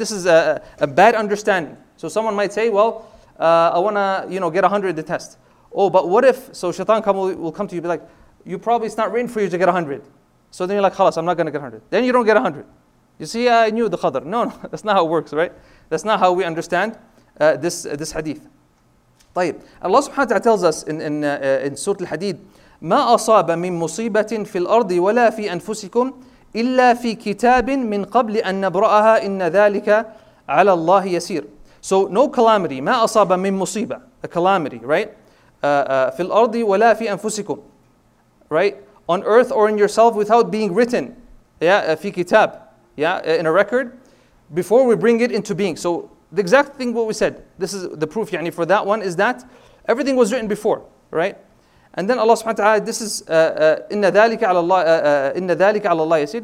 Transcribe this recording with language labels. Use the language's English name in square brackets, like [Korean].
[English] This is a bad understanding. So someone might say, well, I want to, you know, get 100 in the test. Oh, but what if, so shaitan will come to you and be like, you probably, it's not written for you to get 100. So then you're like, khalas, I'm not going to get 100. Then you don't get 100. You see, I knew the qadr. No, that's not how it works, right? That's not how we understand this hadith. [Arabic] طيب, [English] Allah subhanahu wa ta'ala tells us in Surah Al-Hadid, [Arabic] مَا أَصَابَ مِن مُصِيبَةٍ فِي الْأَرْضِ وَلَا فِي أَنفُسِكُمْ إِلَّا فِي كِتَابٍ مِن قَبْلِ أَن نَبْرَأَهَا إِنَّ ذَلِكَ عَلَى اللَّهِ يَسِيرٌ. [English] So no calamity, [Arabic] مَا أَصَابَ مِن مُصِيبَةٍ, [English] a calamity, right? [Arabic] فِي الْأَرْضِ وَلَا فِي أَنفُسِكُمْ, right? [English] On earth or in yourself without being written, yeah, [Arabic] فِي كِتَاب, [English] yeah, in a record, before we bring it into being. So the exact thing what we said, this is the proof, يعني, for that one, is that everything was written before, right? And then Allah subhanahu wa ta'ala, this is inna dhalika ala Allah, inna dhalika ala Allah yaseer.